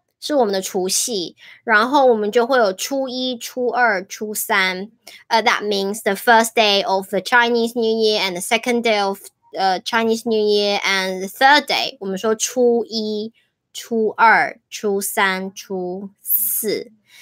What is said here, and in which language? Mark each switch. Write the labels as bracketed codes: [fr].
[zh] 是我们的除夕, 然后我们就会有初一、初二、初三. [en] That means the first day of the Chinese New Year and the second day of Chinese New Year and the third day. [zh] 我们说初一、初二、初三、初四.